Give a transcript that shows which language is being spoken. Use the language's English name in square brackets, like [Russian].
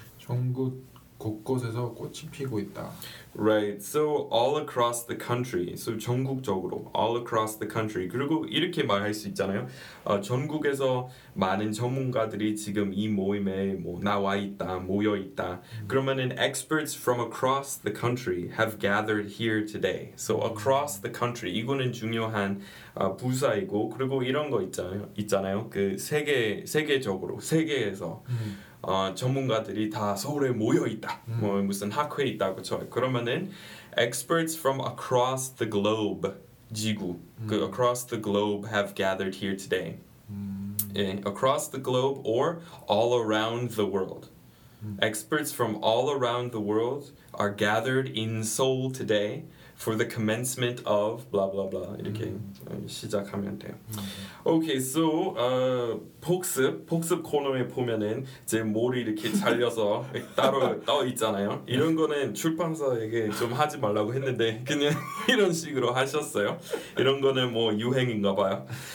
[Korean] 전국 곳곳에서 꽃이 피고 있다. [English] Right. So all across the country. So [Korean] 전국적으로 [English] all across the country. [Korean] 그리고 이렇게 말할 수 있잖아요. 전국에서 많은 전문가들이 지금 이 모임에 뭐 나와 있다, 모여 있다. 그러면은 [English] experts from across the country have gathered here today. So across the country. [Korean] 이거는 중요한 부사이고 그리고 이런 거 있잖아요. 그 세계적으로 세계에서 전문가들이 다 서울에 모여 있다. 뭐 무슨 학회 있다고 쳐요. 그러면은 [English] experts from across the globe, [Korean] 지구, 그 [English] across the globe have gathered here today. [Korean] 예, [English] across the globe or all around the world. Experts from all around the world are gathered in Seoul today for the commencement of blah blah blah. [Korean] 이렇게 시작하면 돼요. [English] Okay, so [Korean] 복습 코너에 보면은 제 머리 이렇게 잘려서 따로 떠 있잖아요. 이런 거는 출판사에게 좀 하지 말라고 했는데 그냥 이런 식으로 하셨어요. 이런 거는 뭐 유행인가 봐요.